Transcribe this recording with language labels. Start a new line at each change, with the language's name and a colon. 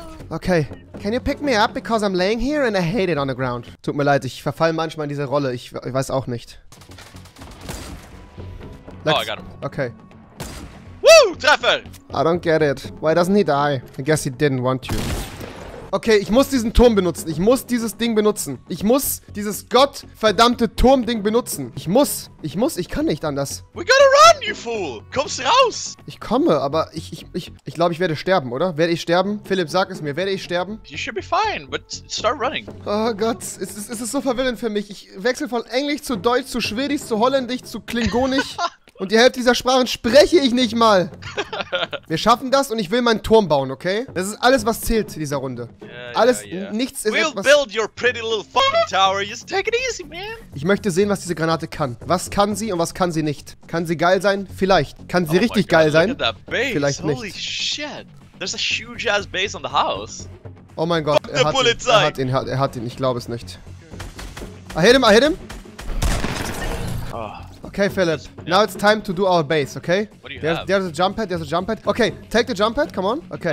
English: Okay, can you pick me up because I'm laying here and I hate it on the ground.
German: Tut mir leid, ich verfall manchmal in diese Rolle. Ich weiß auch nicht.
English: Let's, oh, I got him. Okay.
German: Woo, Treffer!
English: I don't get it. Why doesn't he die? I guess he didn't want you.
German: Okay, ich muss diesen Turm benutzen. Ich muss dieses Ding benutzen. Ich muss dieses gottverdammte Turmding benutzen. Ich kann nicht anders.
English: We gotta run, you fool!
German: Kommst raus! Ich komme, aber ich glaube, ich werde sterben, oder? Werde ich sterben? Philipp, sag es mir, werde ich sterben?
English: You should be fine, but start running.
German: Oh Gott, es ist so verwirrend für mich. Ich wechsle von Englisch zu Deutsch, zu Schwedisch, zu Holländisch, zu Klingonisch. Und die Hälfte dieser Sprachen spreche ich nicht mal. Wir schaffen das und ich will meinen Turm bauen, okay? Das ist alles, was zählt in dieser Runde. Nichts ist etwas...
English: We'll build your pretty little fucking tower. Just take it easy, man.
German: Ich möchte sehen, was diese Granate kann. Was kann sie und was kann sie nicht? Kann sie geil sein? Vielleicht. Kann sie richtig geil sein? Vielleicht nicht.
English: Holy shit. There's a huge ass base on the house.
German: Oh mein Gott, er hat, er hat ihn, ich glaube es nicht.
English: I hit him. Okay, Philip, now it's time to do our base, okay? There's a jump pad. Okay, take the jump pad, come on. Okay,